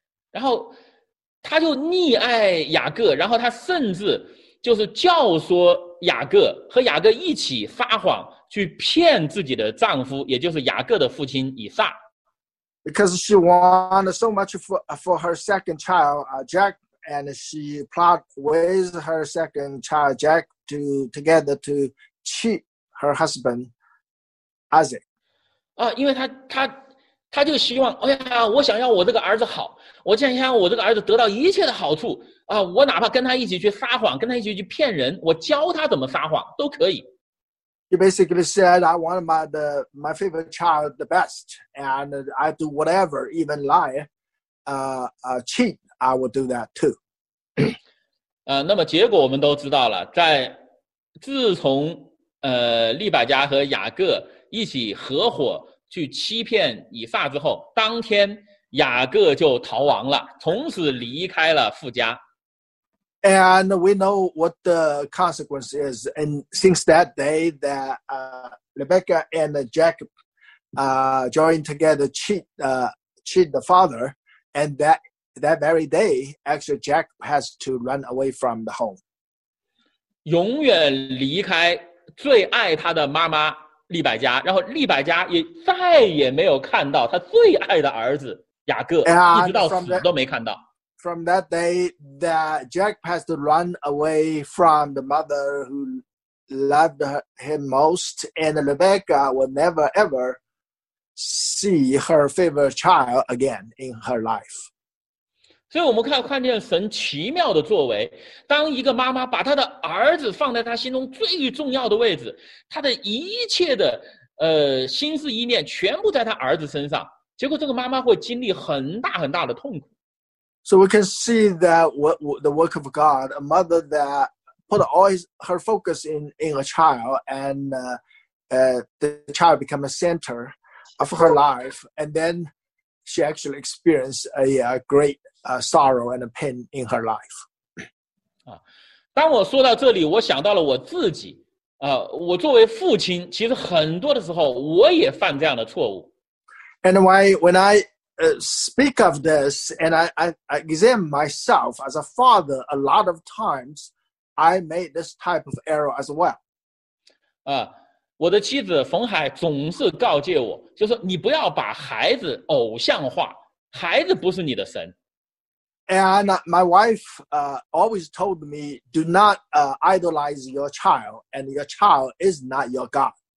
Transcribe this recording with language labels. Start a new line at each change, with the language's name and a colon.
Chinese: 然后她就溺爱雅各，然后她甚至就是教唆雅各和雅各一起撒谎。去骗自己的丈夫，也就是雅各的父亲以撒。
English: Because she wanted so much for her second child, Jack, and she plot with her second child, Jack, to cheat her husband, Isaac.
Chinese: 因为她他就希望，哎呀，我想要我这个儿子好，我想让我这个儿子得到一切的好处啊！我哪怕跟他一起去撒谎，跟他一起去骗人，我教他怎么撒谎都可以。
English: He basically said, "I want my favorite child the best, and I do whatever, even lie, cheat, I will do that too."
Chinese: 那么结果我们都知道了，在自从利百加和雅各一起合伙去欺骗以撒之后，当天雅各就逃亡了，从此离开了父家。
English: And we know what the consequence is. And since that day, that Rebecca and Jacob joined together cheat the father, and that very day, actually Jacob has to run away from the home.
Chinese: 永远离开最爱他的妈妈利百加，然后利百加也再也没有看到他最爱的儿子雅各，一直到死都没看到。
English: From that day, that Jacob has to run away from the mother who loved him most, and Rebecca will never ever see her favorite child again in her life.
Chinese: 所以我们看见神奇妙的作为，当一个妈妈把她的儿子放在她心中最重要的位置，她的一切的心思意念全部在她儿子身上，结果这个妈妈会经历很大很大的痛苦。
English: So we can see that the work of God, a mother that put all her focus in a child, and the child become a center of her life, and then she actually experienced a great sorrow and a pain in her life.
Chinese: 当我说到这里，我想到了我自己。我作为父亲，其实很多的时候我也犯这样的错误。
English: And when I speak of this, and I examine myself as a father, a lot of times I made this type of error as well.
Chinese: 我的妻子冯海总是告诫我，就是你不要把孩子偶像化，孩子不是你的神。
English: And my wife always told me, do not idolize your child, and your child is not your God.